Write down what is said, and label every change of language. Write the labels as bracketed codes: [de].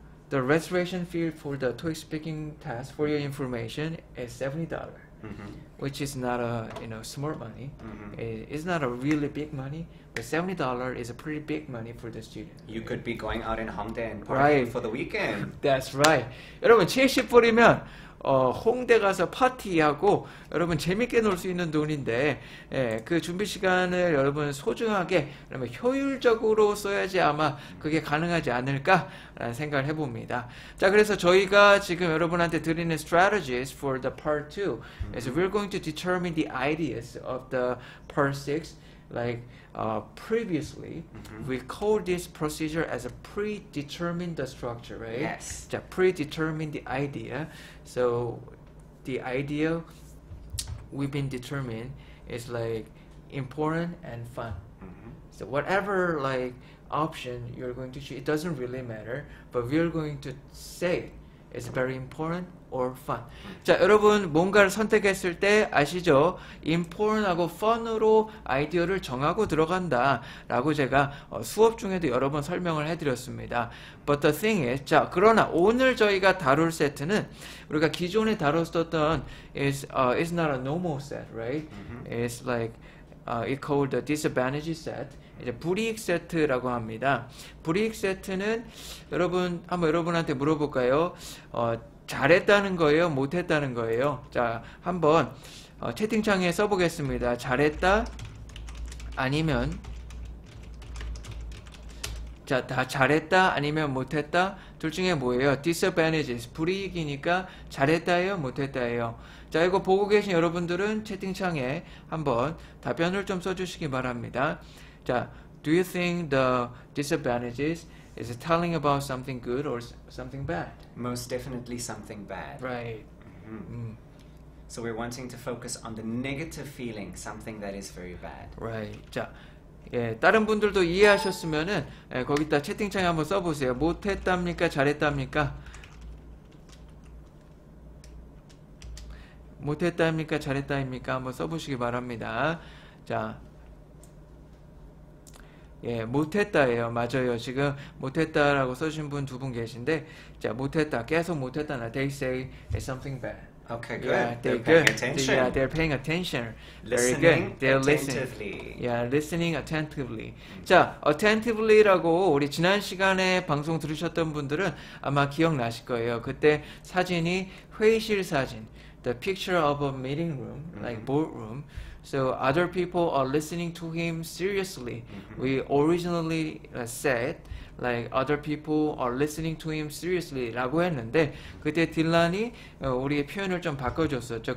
[en] The reservation fee for the TOEIC speaking test, for your information, is $70. Mm-hmm. Which is not a, you know, smart money. Mm-hmm. It's not a really big money, but $70 is a pretty big money for the student. You right? could be going out in Hongdae and partying right. for the weekend. That's right. [ko] 여러분, 70불이면 홍대 가서 파티하고 여러분 재밌게 놀 수 있는 돈인데 그 준비 시간을 여러분 소중하게 그러면 효율적으로 써야지 아마 그게 가능하지 않을까라는 생각을 해봅니다. 자, 그래서 저희가 지금 여러분한테 드리는 [en] strategies for the part 2 is we're going to determine the ideas of the part 6 like previously we call this procedure as a predetermined structure, right? Yes. 자, predetermined the idea. So the idea we've been determined is like important and fun. So whatever like option you're going to choose, it doesn't really matter, but we're going to say it's very important or fun. [ko] 자, 여러분 뭔가를 선택했을 때 아시죠? important하고 fun으로 아이디어를 정하고 들어간다라고 제가 수업 중에도 여러 번 설명을 해드렸습니다. [en] But the thing is, [ko] 자, 그러나 오늘 저희가 다룰 세트는 우리가 기존에 다뤘었던 [en] is not a normal set, right? It's like it called the disadvantage set. [ko] 이제 불이익 세트라고 합니다. 불이익 세트는 여러분 한번 여러분한테 물어볼까요? 잘했다는 거예요? 못했다는 거예요? 자, 한번 채팅창에 써보겠습니다. 잘했다? 아니면 자, 다 잘했다? 아니면 못했다? 둘 중에 뭐예요? Disadvantages, 불이익이니까 잘했다예요? 못했다예요? 자, 이거 보고 계신 여러분들은 채팅창에 한번 답변을 좀 써주시기 바랍니다. [en] 자, Do you think the disadvantages is it telling about something good or something bad? Most definitely something bad. Right. So we're wanting to focus on the negative feeling, something that is very bad. Right. [ko] 자, 예, 다른 분들도 이해하셨으면은 예, 거기다 채팅창에 한번 써보세요. 못했답니까? 잘했답니까? 못했답니까? 잘했다입니까? 한번 써보시기 바랍니다. 자. 예, 못했다예요. 맞아요. 지금 못했다라고 써주신 분 두 분 계신데 자, 못했다. 계속 못했다. [en] They say it's something bad. Okay, good. Yeah, they're paying attention. Yeah, they're paying attention. Listening very good. They're attentively. Yeah, listening attentively. [ko] 자, attentively라고 우리 지난 시간에 방송 들으셨던 분들은 아마 기억나실 거예요. 그때 사진이 회의실 사진. [en] The picture of a meeting room, like boardroom. So other people are listening to him seriously. We originally said like other people are listening to him seriously [ko] 라고 했는데 그때 딜란이 우리의 표현을 좀 바꿔줬었죠.